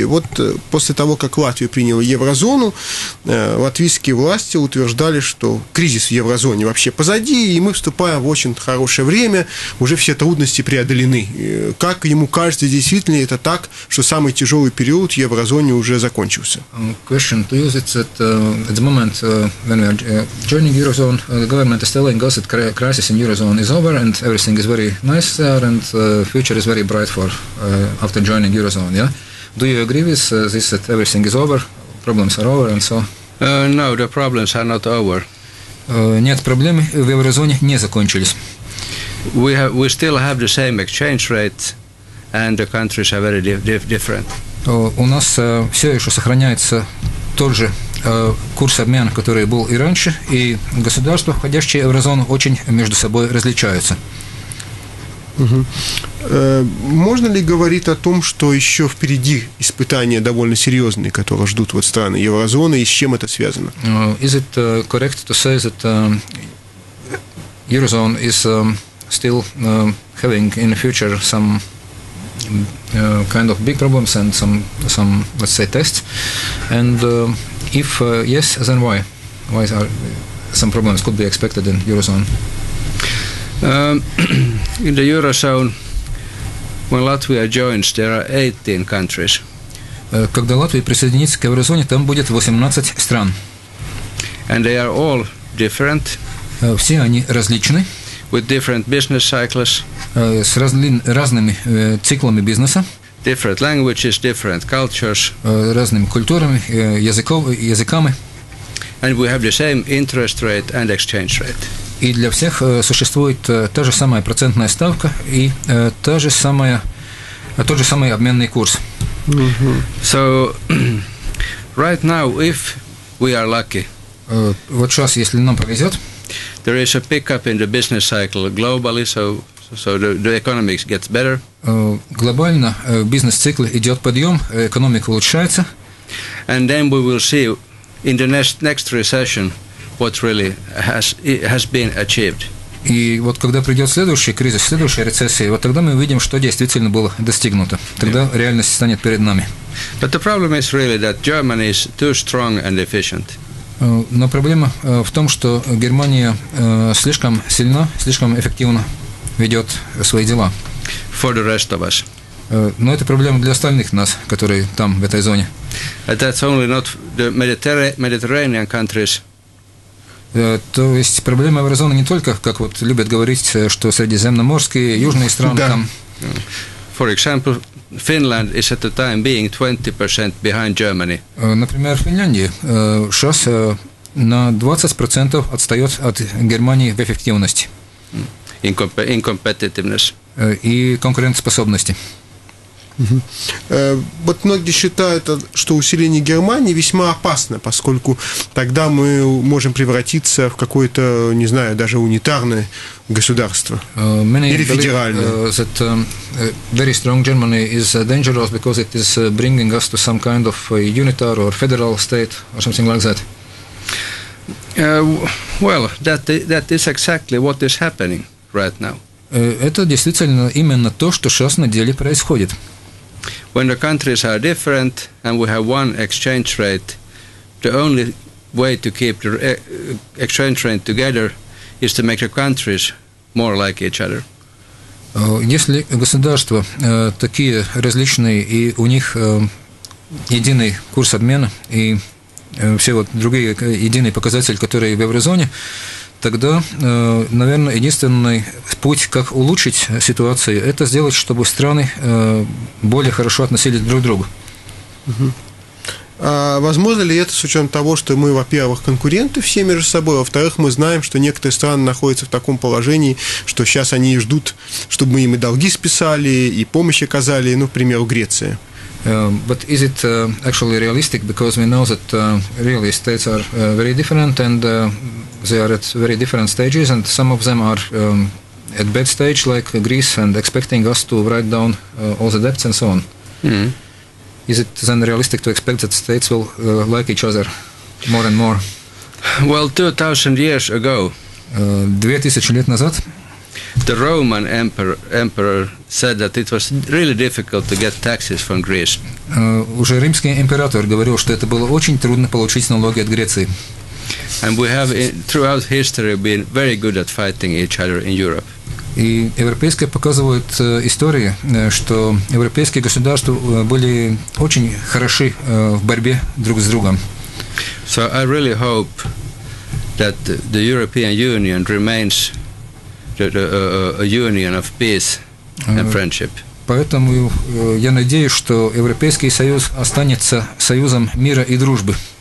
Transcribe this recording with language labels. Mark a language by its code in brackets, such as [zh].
[ru] Вот после того, как Латвия приняла еврозону, латвийские власти утверждали, что кризис в еврозоне вообще позади, и мы вступаем в очень хорошее время, уже все трудности преодолены. Как ему кажется, действительно это так, что самый тяжелый период в еврозоне уже закончился? [en] Question to use, it's at the moment when we are joining eurozone, the government is telling us that crisis in eurozone is over and everything is very nice there, and future is very bright for after joining eurozone. Yeah, do you agree with this, that everything is over, problems are over and so? No, the problems are not over. [ru] Нет, проблемы в еврозоне не закончились. [en] We still have the same exchange rate, and the countries are very different. [ru] У нас все еще сохраняется тот же курс обмена, который был и раньше, и государства, входящие в еврозону, очень между собой различаются. Угу. Можно ли говорить о том, что еще впереди испытания довольно серьезные, которые ждут вот страны еврозоны, и с чем это связано? [en] Is it correct to say that eurozone is still having in the future some kind of big problems and some let's say tests? And if yes, then why? Why are some problems could be expected in eurozone? In the Eurozone, when Latvia joins, there are 18 countries. [ru] Когда Латвия присоединится к еврозоне, там будет 18 стран. [en] And they are all different. [ru] Все они различны. [en] With different business cycles. [ru] С разными циклами бизнеса. [en] Different languages, different cultures. [ru] Разными культурами, языками. [en] And we have the same interest rate and exchange rate. [ru] И для всех существует та же самая процентная ставка и тот же самый обменный курс. [en] Mm-hmm. So, right now, if we are lucky, [ru] вот сейчас, если нам повезет, [en] there is a pickup in the business cycle globally, so the economy gets better. [ru] Глобально бизнес-цикл идет подъем, экономика улучшается. [en] And then we will see in the next recession what really has been achieved. [ru] И вот когда придет следующий кризис, следующая рецессия, вот тогда мы увидим, что действительно было достигнуто. Тогда реальность станет перед нами. [en] But the problem is really that Germany is too strong and efficient. [ru] Но проблема в том, что Германия слишком сильна, слишком эффективно ведет свои дела. [en] For the rest of us. [ru] Но это проблема для остальных нас, которые там, в этой зоне. [en] And that's only not the Mediterranean countries. [ru] То есть проблема Еврозоны не только, как вот любят говорить, что средиземноморские, южные страны там. [en] For example, Finland is at the time being 20% behind Germany. [ru] Например, Финляндия сейчас на 20% отстает от Германии в эффективности. [en] In competitiveness. [ru] И конкурентоспособности. Вот многие считают, что усиление Германии весьма опасно, поскольку тогда мы можем превратиться в какое-то, не знаю, даже унитарное государство или федеральное. [en] That very strong Germany is dangerous because it is bringing us to some kind of unitar or federal state or something like that. Well, that is exactly what is happening right now. [ru] Это действительно именно то, что сейчас на деле происходит. [en] When the countries are different and we have one exchange rate, the only way to keep the exchange rate together is to make the countries more like each other. [ru] Если государства такие различные и у них единый курс обмена и все вот другие единые показатели, которые в еврозоне, тогда, наверное, единственный путь, как улучшить ситуацию, это сделать, чтобы страны более хорошо относились друг к другу. А возможно ли это с учетом того, что мы, во-первых, конкуренты все между собой, во-вторых, мы знаем, что некоторые страны находятся в таком положении, что сейчас они ждут, чтобы мы им и долги списали, и помощь оказали, ну, к примеру, Греция. [en] But is it actually realistic? Because we know that really states are very different and they are at very different stages, and some of them are at bad stage, like Greece, and expecting us to write down all the debts and so on. Is it then realistic to expect that states will like each other more and more? Well, 2000 years ago. [ru] 2000 лет назад. [en] The Roman emperor said that it was really difficult to get taxes from Greece. [ru] Уже римский император говорил, что это было очень трудно получить налоги от Греции. [en] And we have throughout history been very good at fighting each other in Europe. [ru] И европейская показывает истории, что европейские государства были очень хороши в борьбе друг с другом. [en] So I really hope that the European Union remains a union of peace and friendship. [ru] Поэтому я надеюсь, что Европейский Союз останется союзом мира и дружбы.